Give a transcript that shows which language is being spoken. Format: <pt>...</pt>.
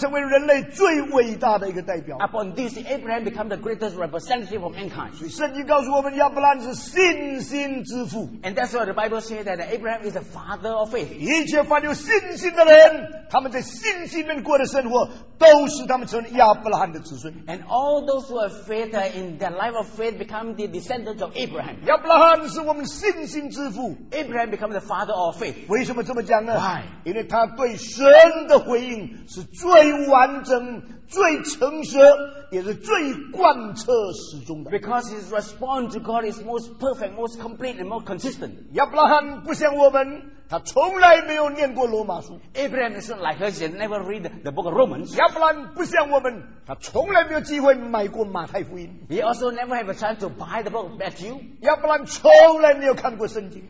<zh>这件事情上，就有了亚伯拉罕成为人类最伟大的一个代表。</zh> <en>Upon this, Abraham became the greatest representative of mankind.</en> <zh>所以圣经告诉我们，亚伯拉罕是信心之父。</zh> <en>And that's why the Bible says that Abraham is the father of faith.</en> <zh>一切凡有信心的人，他们在信心里面过的生活。都是他们成为亚伯拉罕的子孙。</zh> <en>And all those who have faith in their life of faith become the descendants of Abraham.</en> <zh>亚伯拉罕是我们信心之父。</zh> <en>Abraham becomes the father of faith.</en> <zh>为什么这么讲呢？</zh> <en>Why?</en> <zh>因为他对神的回应是最完整、最诚实，也是最贯彻始终的。</zh> <en>Because his response to God is most perfect, most complete, and most consistent.</en> <zh>亚伯拉罕不像我们。他从来没有念过罗马书。</zh> <en>Abraham is not like us, he never read the book of Romans.</en> <zh>亚伯兰不像我们, 他从来没有机会买过马太福音。</zh> <en>He also never had a chance to buy the book of Matthew.</en> <zh>亚伯兰从来没有看过圣经。</zh>